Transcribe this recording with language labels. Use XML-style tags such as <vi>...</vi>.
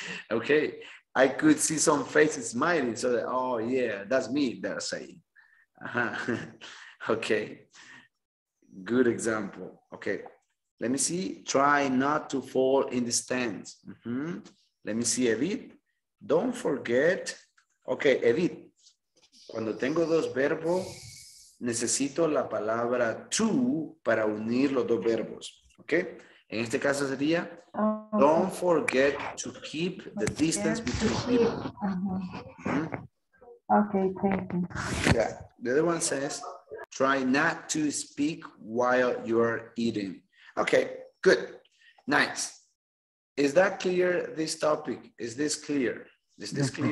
<en>Okay, I could see some faces smiling, so that, oh yeah, that's me, they're saying. Okay, good example. Okay, let me see, try not to fall in the stands. Let me see, Edith, don't forget.</en> <es>Okay, Edith, cuando tengo dos verbos, necesito la palabra to para unir los dos verbos, okay? En este caso sería,</es> <en>don't forget to keep the distance between people. Okay, thank you. Yeah, the other one says, try not to speak while you're eating. Okay, good, nice. Is that clear, this topic? Is this clear? Is this clear?</en>